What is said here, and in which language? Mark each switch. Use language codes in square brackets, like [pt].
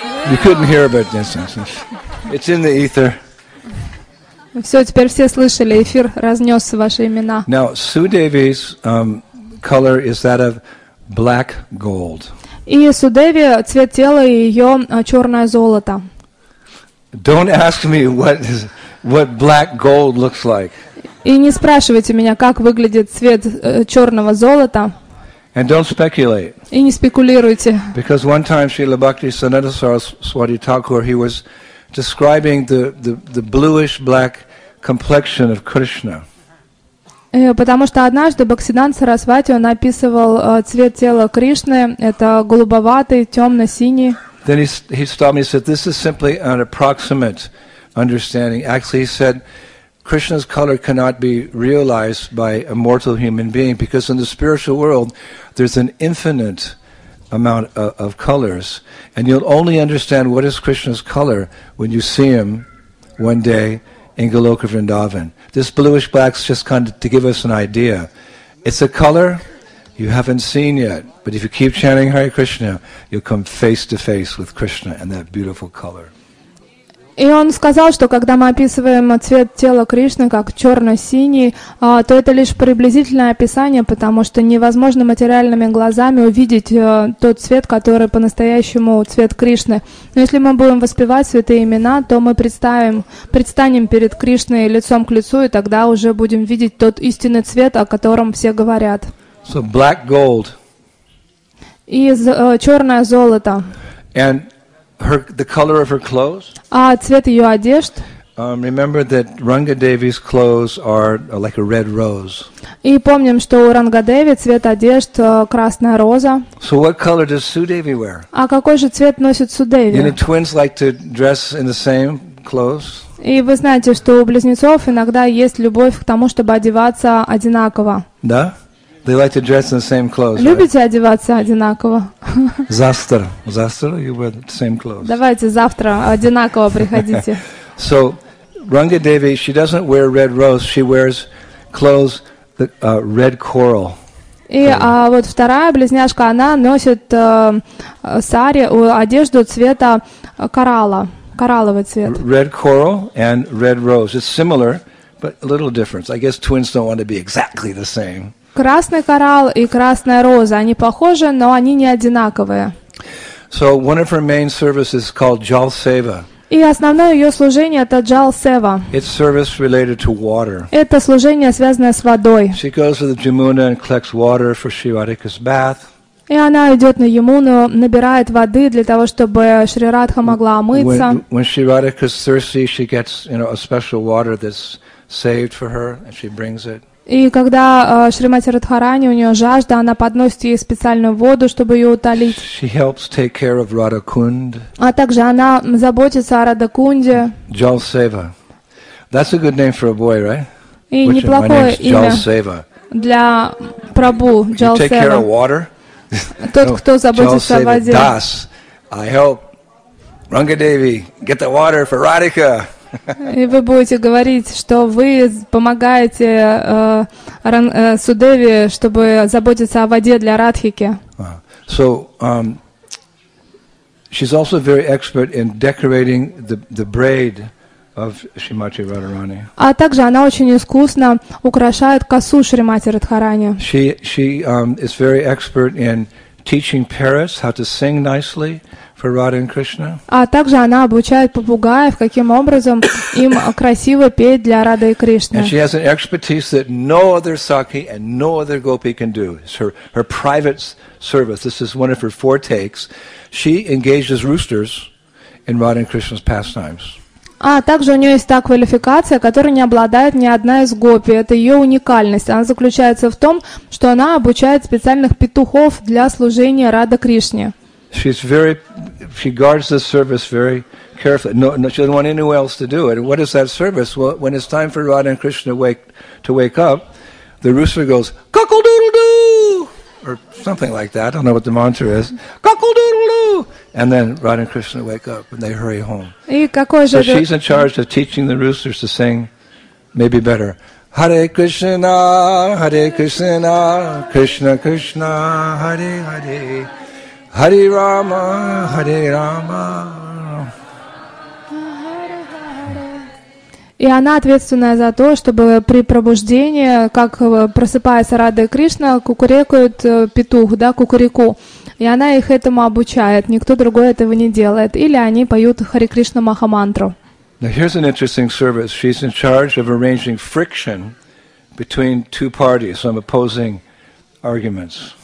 [en] You couldn't hear, but it's in the ether. [ru] Все, теперь все слышали. Эфир разнес ваши имена. [en] Now, Sudevi's color is that of black gold. [ru] И Судеви цвет тела ее черное золото. [en] Don't ask me what black gold looks like. [ru] И не спрашивайте меня, как выглядит цвет черного золота. [en] And don't speculate. [ru] И не спекулируйте. [en] Because one time Srila Bhakti Sanatana Saraswati Thakur, he was describing the bluish black complexion of Krishna. [ru] Потому что однажды Бхактисиддханта Сарасвати он описывал цвет тела Кришны, это голубоватый, темно-синий. [en] Then he stopped me and said, "This is simply an approximate understanding." Actually, he said, "Krishna's color cannot be realized by a mortal human being because in the spiritual world there's an infinite amount of colors, and you'll only understand what is Krishna's color when you see him one day in Goloka Vrindavan." This bluish black is just kind of to give us an idea. It's a color you haven't seen yet, but if you keep chanting Hare Krishna, you'll come face to face with Krishna and that beautiful color. [ru] И он сказал, что когда мы описываем цвет тела Кришны как черно-синий, то это лишь приблизительное описание, потому что невозможно материальными глазами увидеть тот цвет, который по-настоящему цвет Кришны. Но если мы будем воспевать святые имена, то мы предстанем перед Кришной лицом к лицу, и тогда уже будем видеть тот истинный цвет, о котором все говорят. [en] So black gold. [ru] Из черное золото. [en] And the color of her clothes. [ru] А цвет ее одежд. [en] Remember that Rangadevi's clothes are like a red rose. [ru] И помним, что у Рангадеви цвет одежд красная роза. [en] So what color does Sudevi wear? [ru] А какой же цвет носит Судеви? [en] You know, twins like to dress in the same clothes. [ru] И вы знаете, что у близнецов иногда есть любовь к тому, чтобы одеваться одинаково. Да? [en] They like to dress in the same clothes. [ru] Любите [en] right? [ru] одеваться одинаково. Завтра [en] you wear the same clothes. [ru] Давайте завтра одинаково приходите. [en] So, Rangadevi, she doesn't wear red rose. She wears clothes that red coral. [ru] И вот вторая близняшка, она носит сари, одежду цвета коралла, коралловый цвет. [en] Red coral and red rose. It's similar, but a little difference. I guess twins don't want to be exactly the same. [ru] Красный коралл и красная роза, они похожи, но они не одинаковые. [en] So one of her main services is called Jal Seva. [ru] И основное ее служение это Jal Seva. [en] It's service related to water. [ru] Это служение связанное с водой. [en] She goes to the Jamuna and collects water for Sri Radhika's bath. [ru] И она идет на Ямуну, набирает воды для того, чтобы Шри Радха могла омыться. [en] When Sri Radhika is thirsty, she gets, you know, a special water that's saved for her, and she brings it. [ru] И когда Шримати Радхарани, у нее жажда, она подносит ей специальную воду, чтобы ее утолить. [en] She helps take care of Radha Kund. [ru] А также она заботится о Радха Кунде. [en] Jal Seva. That's a good name for a boy, right? [ru] И неплохое имя для Прабу, Jal Seva. [en] You take care of water? [ru] Тот, кто заботится о воде. [en] Das, I help Ranga Devi get the water for Radhika. [ru] И вы будете говорить, что вы помогаете Судеве, чтобы заботиться о воде для Радхики. [en] So, she's also very expert in decorating the braid of Shrimati Radharani. [ru] А также она очень искусно украшает косу Шримати Радхарани. [en] She is very expert in teaching parrots how to sing nicely for Radha and Krishna. [ru] А также она обучает попугаев, каким образом им красиво петь для Рады и Кришны. [en] And she has an expertise that no other sakhi and no other gopi can do. It's her private service. This is one of her four takes. She engages roosters in Radha and Krishna's pastimes. [ru] А также у нее есть та квалификация, которой не обладает ни одна из гопи. Это ее уникальность. Она заключается в том, что она обучает специальных петухов для служения Радха Кришне. [en] She guards this service very carefully. No, she doesn't want anyone else to do it. What is that service? Well, when it's time for Radha and Krishna to wake up, the rooster goes cuckoo doodle doo or something like that. I don't know what the mantra is. Cuckoo doodle doo. And then Radha and Krishna wake up and they hurry home. So she's in charge of teaching the roosters to sing maybe better. [sa] Hare Krishna, Hare Krishna, Krishna Krishna, Hare Hare, Hare Rama, Hare Rama. [ru] И она ответственная за то, чтобы при пробуждении, как просыпается Радха Кришна, кукурекует петух, да, кукуреку. И она их этому обучает. Никто другой этого не делает. Или они поют Хари Кришна Махамантру. [en] Now here's an interesting service. She's in charge of arranging friction between two parties, some opposing arguments.